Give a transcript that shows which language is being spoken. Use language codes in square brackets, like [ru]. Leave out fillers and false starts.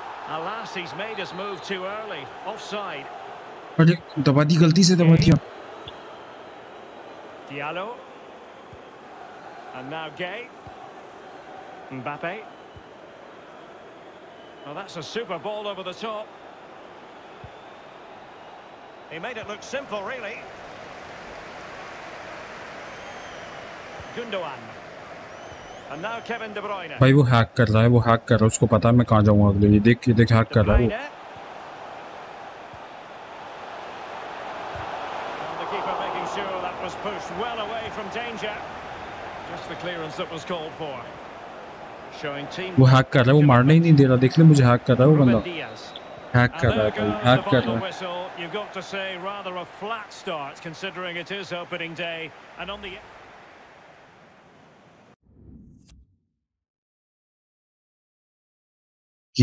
[en] Alas, he's made his move too early. Offside. [hi] अरे दबा दी गलती से दबा दिया. [en] Diallo. And now Gueye. Mbappe. Well, that's a super ball over the top. He made it look simple, really. Gundogan. And now Kevin De Bruyne. [hi] भाई वो hack कर रहा है, वो हैक कर रहा है. उसको पता है मैं कहाँ जाऊँगा अगले. ये देख, ये देख हैक कर रहा है वो. [en] The keeper making sure that was pushed well away from danger. Just the clearance that was called for. [hi] वो हैक कर रहा है, वो मारने ही नहीं दे रहा. देख ले मुझे हैक कर रहा है वो बंदा. हैक कर रहा है, हैक कर रहा है. [en] You've got to say rather a flat start considering it is opening day and on the